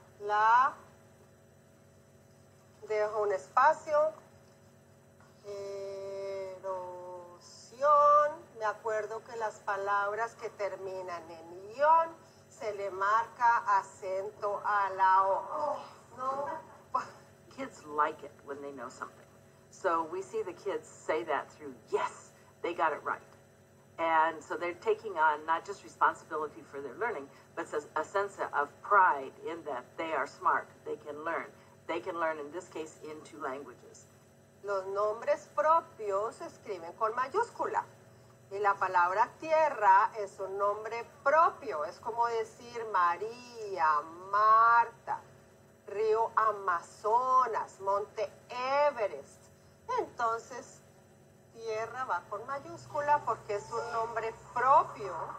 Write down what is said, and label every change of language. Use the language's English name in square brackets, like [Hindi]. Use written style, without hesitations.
[Spanish] La dejo un espacio. Erosión. Me acuerdo que las palabras que terminan en ión se le marca acento a la O. No. [English] Kids like it when they know something. So we see the kids say that through, yes, they got it right. And so they're taking on not just responsibility for their learning, but a sense of pride in that they are smart, they can learn. They can learn, in this case, in two languages. [Spanish] Los nombres propios se escriben con mayúscula. Y la palabra tierra es un nombre propio. Es como decir María, Marta, Río Amazonas, Monte Everest. Entonces, tierra va con mayúscula porque es un nombre propio.